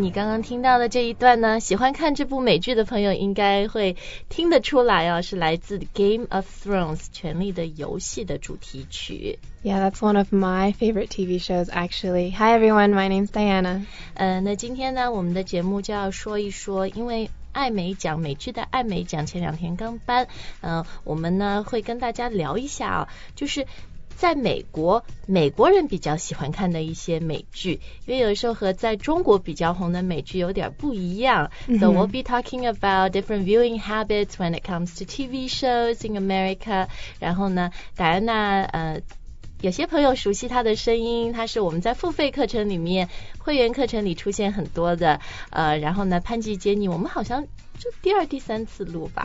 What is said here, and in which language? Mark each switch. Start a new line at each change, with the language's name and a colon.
Chinese: 你刚刚听到的这一段呢，喜欢看这部美剧的朋友应该会听得出来哦，是来自 Game of Thrones 权力的游戏的主题曲。
English: Yeah, that's one of my favorite TV shows actually. Hi everyone, my name's Diana.
Chinese: 那今天呢，我们的节目就要说一说，因为艾美奖，美剧的艾美奖前两天刚颁，我们呢会跟大家聊一下哦，就是在美国，美国人比较喜欢看的一些美剧，因为有时候和在中国比较红的美剧有点不一样。
English: So we'll be talking about different viewing habits when it comes to TV shows in America.
Chinese: 然后呢，戴安娜，有些朋友熟悉她的声音，她是我们在付费课程里面、会员课程里出现很多的。然后呢，潘吉杰尼，我们好像就第二、第三次录吧。